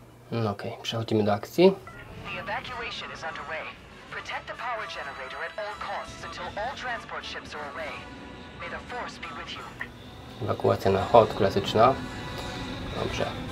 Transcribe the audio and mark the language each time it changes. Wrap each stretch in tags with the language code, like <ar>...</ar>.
<pl>No okej, przechodzimy do akcji.</pl> <en>The evacuation is underway. Protect the power generator at all costs until all transport ships are away. May the force be with you.</en> <pl>Ewakuacja na hot, klasyczna. Dobrze.</pl>